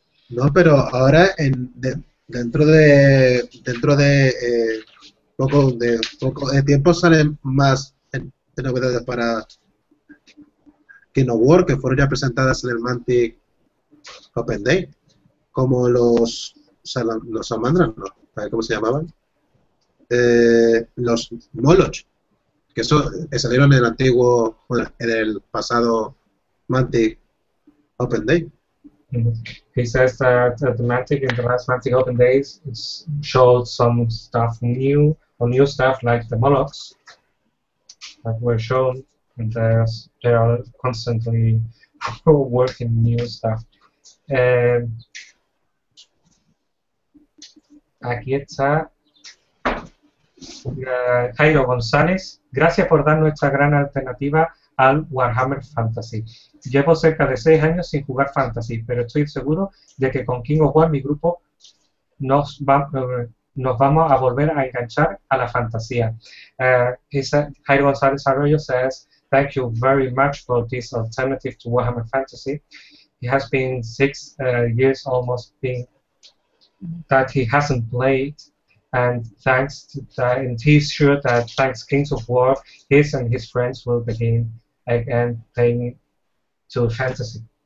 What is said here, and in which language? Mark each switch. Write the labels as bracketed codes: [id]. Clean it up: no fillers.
[es] No, pero ahora dentro de poco de tiempo salen más novedades para Kingdom War, que fueron ya presentadas en el Mantic Open Day, como los salamandras, ¿no? ¿Cómo se llamaban? Los Moloch, que eso salieron en el antiguo, en el pasado Mantic Open Day. [en] He says that the last Mantic Open Days showed some stuff new, or new stuff like the Molochs that were shown. And they are constantly working new stuff. [es] Aquí está Jairo González. Gracias por dar nuestra gran alternativa al Warhammer Fantasy. Llevo cerca de 6 años sin jugar Fantasy, pero estoy seguro de que con King of War mi grupo nos vamos a volver a enganchar a la fantasía. [en] Jairo González Arroyo says, thank you very much for this alternative to Warhammer Fantasy. It has been 6 years almost being that he hasn't played, and thanks to that, and he's sure that thanks Kings of War, his and his friends will begin again playing to fantasy.